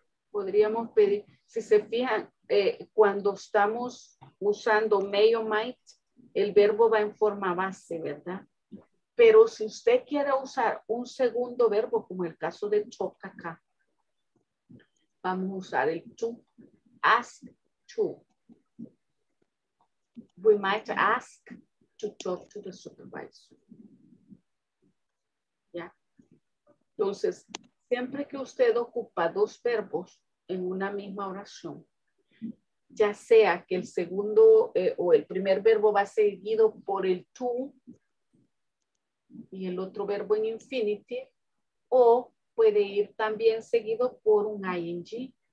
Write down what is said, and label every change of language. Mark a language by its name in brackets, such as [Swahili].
[Spanish] Podríamos pedir, si se fijan, cuando estamos usando may o might, el verbo va en forma base, ¿verdad? Pero si usted quiere usar un segundo verbo, como el caso de talk acá, vamos a usar el to, ask to. [English] We might ask to talk to the supervisor. [Spanish] ¿Ya? Entonces, siempre que usted ocupa dos verbos en una misma oración, ya sea que el segundo o el primer verbo va seguido por el to y el otro verbo en infinitive, o puede ir también seguido por un ing.